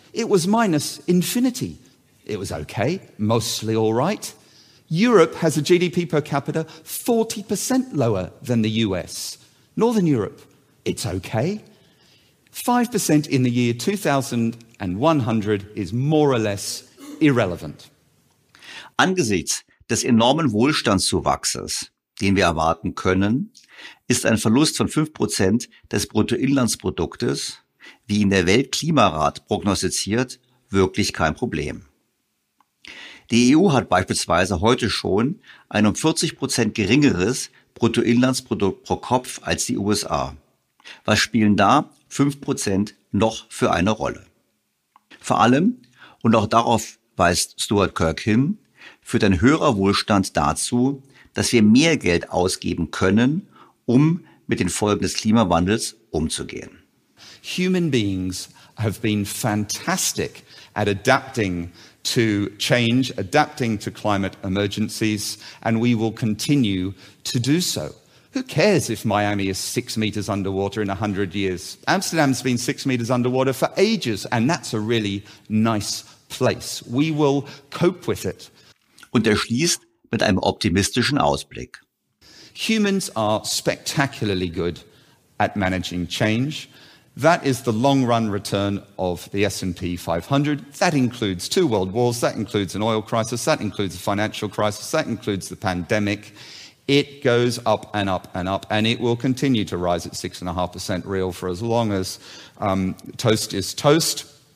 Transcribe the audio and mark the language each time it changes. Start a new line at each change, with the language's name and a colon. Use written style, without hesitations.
English: It was minus infinity. It was okay, mostly all right. Europe has a GDP per capita 40% lower than the US. Northern Europe, it's okay. 5% in the year 2100 is more or less irrelevant.
German: Angesichts des enormen Wohlstandszuwachses, den wir erwarten können, ist ein Verlust von 5% des Bruttoinlandsproduktes, wie ihn der Weltklimarat prognostiziert, wirklich kein Problem. Die EU hat beispielsweise heute schon ein um 40% geringeres Bruttoinlandsprodukt pro Kopf als die USA. Was spielen da 5% noch für eine Rolle? Vor allem, und auch darauf weist Stuart Kirk hin, führt ein höherer Wohlstand dazu, dass wir mehr Geld ausgeben können, um mit den Folgen des Klimawandels umzugehen.
English: Human beings have been fantastic at adapting to change, adapting to climate emergencies, and we will continue to do so. Who cares if Miami is 6 meters underwater in 100 years? Amsterdam's been 6 meters underwater for ages, and that's a really nice place. We will cope with it.
German: Und schließt mit einem optimistischen Ausblick.
English: Humans are spectacularly good at managing change. That is the long-run return of the S&P 500. That includes two world wars, that includes an oil crisis, that includes a financial crisis, that includes the pandemic. It goes up and up and up, and it will continue to rise at 6.5% real for as long as toast is toast.